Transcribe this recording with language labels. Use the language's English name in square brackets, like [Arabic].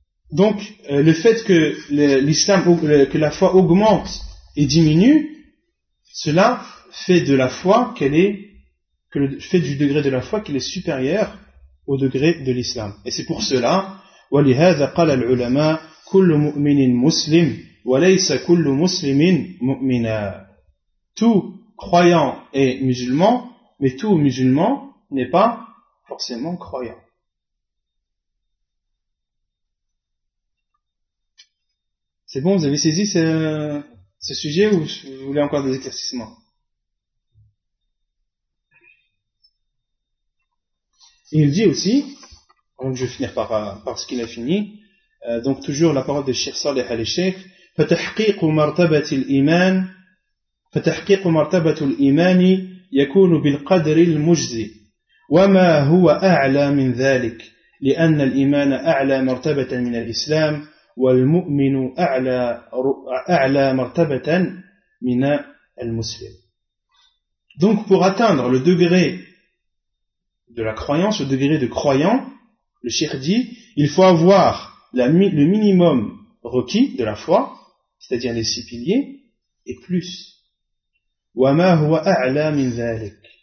[French] Donc, le fait que l'islam, que la foi augmente et diminue, cela fait de la foi qu'elle est, que le fait du degré de la foi qu'elle est supérieure au degré de l'islam. Et c'est pour cela, [Arabic] ولهذا قال العلماء كل مؤمن مسلم وليس كل مسلم مؤمنا. [French] Tout croyant est musulman, mais tout musulman n'est pas forcément croyant. C'est bon, vous avez saisi ce sujet ou vous voulez encore des éclaircissements? Il dit aussi, Donc je vais finir par ce qu'il a fini. Donc toujours la parole de Cheikh Saleh al-Sheikh. [Arabic] فتحقيق مرتبة الإيمان فتحقيق مرتبة الإيمان يكون بالقدر المجزي وما هو أعلى من ذلك لأن الإيمان أعلى مرتبة من الإسلام والمؤمن أعلى مرتبة من المسلم. [French] Donc pour atteindre le degré de la croyance, le degré de croyant, le cheikh dit, il faut avoir le minimum requis de la foi, c'est-à-dire les six piliers, et plus. [Arabic] وَمَا هُوَ أَعْلَى مِنْ ذَلِكَ.